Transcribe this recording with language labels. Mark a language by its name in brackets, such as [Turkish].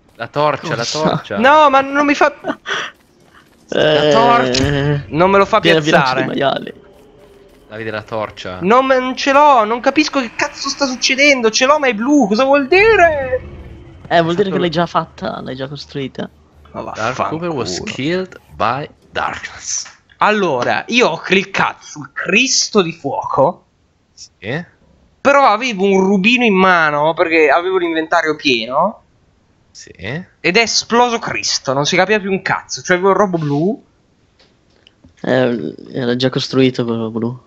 [Italian] La torcia, cosa? La torcia. No, ma non mi fa. La torcia. Non me lo fa piazzare. Davide, la torcia. Non ce l'ho, non capisco che cazzo sta succedendo. Ce l'ho, ma è blu. Cosa vuol dire? Vuol dire che l'hai già fatta. L'hai già costruita. [English] Dark Cooper was killed by darkness. [Italian] Allora, io ho cliccato sul Cristo di fuoco. Sì. Però avevo un rubino in mano perché avevo l'inventario pieno. Sì. Ed è esploso Cristo, non si capiva più un cazzo. Cioè avevo il robo blu. Era già costruito quello blu.